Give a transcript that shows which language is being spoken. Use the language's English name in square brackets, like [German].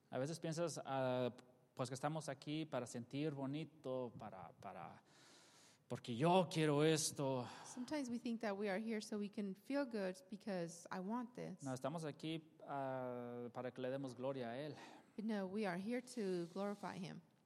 [Spanish] A veces piensas, pues que estamos aquí para sentir bonito, para porque yo quiero esto. [English] Sometimes we think that we are here so we can feel good because I want this. [Spanish] No, estamos aquí para que le demos gloria a él. [English] But no, we are here to glorify him.